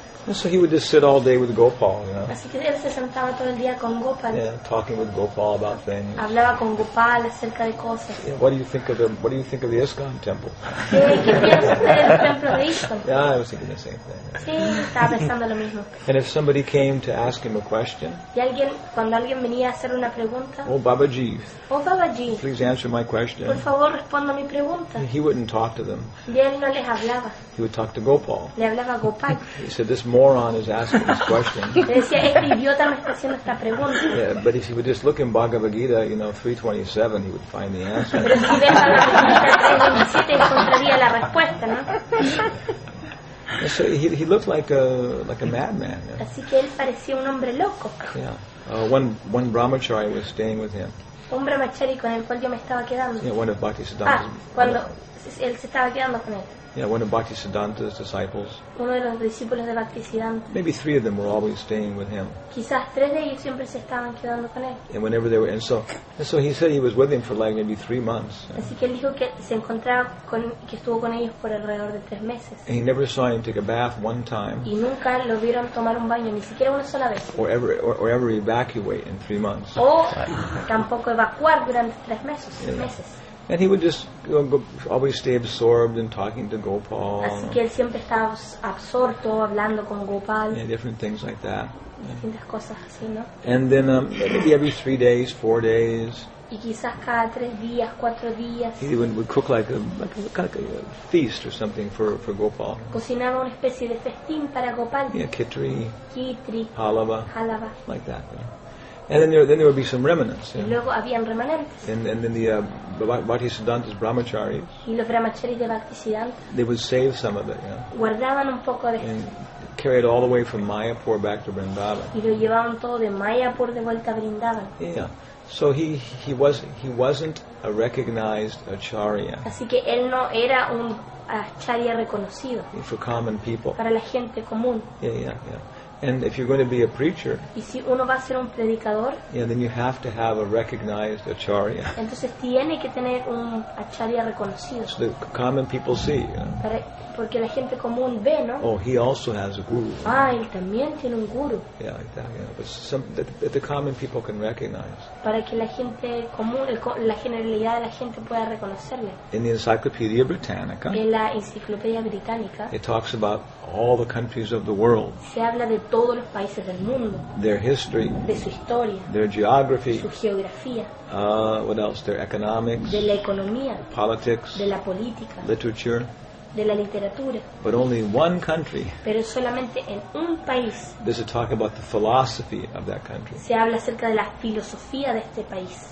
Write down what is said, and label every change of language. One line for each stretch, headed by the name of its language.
English: And so he would just sit all day with Gopal, you know.
Spanish: Así que él se sentaba todo el día con Gopal.
English: Yeah, talking with Gopal about things.
Spanish: Hablaba con Gopal acerca de cosas.
English: Yeah, what do you think of the ISKCON temple?
Spanish: ¿Qué piensas del templo de ISKCON?
English: Yeah, I was thinking the same thing.
Spanish: Sí, estaba pensando lo mismo.
English: And if somebody came to ask him a question.
Spanish: Y alguien, cuando alguien venía a hacer una pregunta.
English: Oh Babaji. Please answer my question.
Spanish: Por favor, responda mi pregunta.
English: He wouldn't talk to them.
Spanish: Y él no les hablaba.
English: He would talk to Gopal.
Spanish: Le hablaba a Gopal.
English: He said, this moron is asking this question.
Spanish: Le decía, este idiota me está haciendo esta pregunta.
English: Yeah, but if he would just look in Bhagavad Gita, you know, 327, he would find the answer.
Spanish: Pero si ve Bhagavad Gita 327, encontraría la respuesta, ¿no?
English: So he looked like a madman. Yeah.
Spanish: Así que él parecía un hombre loco.
English: Yeah. One brahmachari was staying with him.
Spanish: Un brahmachari con el cual yo me estaba quedando.
English: Yeah, one of Bhaktisiddhanta's.
Spanish: Ah, cuando él se estaba quedando con él.
English: Yeah, one of Bhaktisiddhanta's disciples.
Spanish: Uno de los discípulos de Bhaktisiddhanta.
English: Maybe three of them were always staying with him.
Spanish: Quizás tres de ellos siempre se estaban quedando con él.
English: And whenever they were, and so he said he was with him for like maybe 3 months.
Spanish: Así que él dijo que se encontraba con, que estuvo con ellos por alrededor de 3 meses.
English: And he never saw him take a bath one time.
Spanish: Y nunca lo vieron tomar un baño, ni siquiera una sola vez.
English: Or ever evacuate in 3 months.
Spanish: O tampoco evacuar durante 3 meses. Yeah. 3 meses.
English: And he would just always stay absorbed in talking to Gopal.
Spanish: Así que él siempre estaba absorto hablando con Gopal.
English: Yeah, different things like that.
Spanish: Distintas cosas así, ¿no?
English: And then maybe every 3 days, 4 days.
Spanish: Y quizás cada 3 días, 4 días.
English: He would cook like a feast or something for Gopal.
Spanish: Cocinaba una especie de festín para Gopal.
English: Yeah, khichdi. Khichdi. Halava. Like that. You know? And then there would be some remnants. Yeah.
Spanish: Y luego habían remanentes.
English: And then the Bhaktisiddhanta's brahmacharis.
Spanish: Y los brahmacharis de Bhaktisiddhanta.
English: They would save some of it. Yeah.
Spanish: Guardaban un poco de.
English: And carry it all the way from Mayapur back to Vrindavan.
Spanish: Y lo llevaban todo de Mayapur de vuelta a Vrindavan.
English: Yeah. So he wasn't a recognized acharya.
Spanish: Así que él no era un acharya reconocido.
English: For common people.
Spanish: Para la gente común.
English: Yeah. And if you're going to be a preacher,
Spanish: y si uno va a ser un predicador,
English: yeah, then you have to have a recognized acharya.
Spanish: Entonces tiene que tener un acharya reconocido.
English: So the common people see. You know?
Spanish: Para, porque la gente común ve, ¿no?
English: Oh, he also has a guru.
Spanish: Ah, él también tiene un guru.
English: Yeah, like that, yeah. But some that the common people can recognize.
Spanish: Para que la gente común, la generalidad de la gente pueda reconocerle.
English: In the Encyclopedia Britannica.
Spanish: En la Enciclopedia Británica.
English: It talks about all the countries of the world.
Spanish: Se habla de todos los países del mundo.
English: Their history.
Spanish: De su historia.
English: Their geography.
Spanish: Su geografía.
English: What else? Their economics.
Spanish: De la economía.
English: Politics.
Spanish: De la política.
English: Literature.
Spanish: De la literatura.
English: But only one country.
Spanish: Pero solamente en un país.
English: There's a talk about the philosophy of that country.
Spanish: Se habla acerca de la filosofía de este país.